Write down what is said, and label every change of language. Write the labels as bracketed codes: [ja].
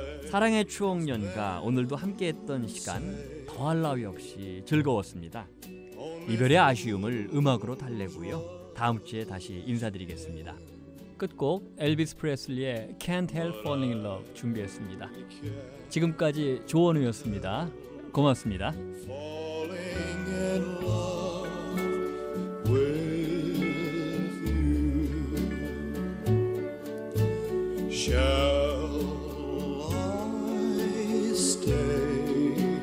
[ko] 사랑의 추억연가 오늘도 함께했던 시간 더할 나위 없이 즐거웠습니다. 이별의 아쉬움을 음악으로 달래고요. 다음 주에 다시 인사드리겠습니다. 끝곡 엘비스 프레슬리의 Can't Help Falling in Love 준비했습니다. 지금까지 조원우였습니다. 고맙습니다. [en] Falling in love with you. Shall I stay?